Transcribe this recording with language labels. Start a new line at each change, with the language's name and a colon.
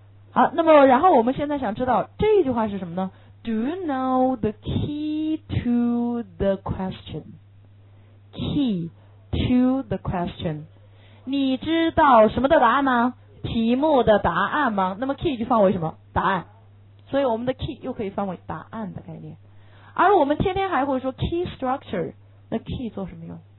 Chinese: 好，那么然后我们现在想知道这一句话是什么呢？
English: Do you know the key to the question? Key to the question，
Chinese: 你知道什么的答案吗？题目的答案吗？那么 key 就放为什么？答案。所以我们的 key 又可以放为答案的概念。而我们天天还会说 key structure， 那 key 做什么用？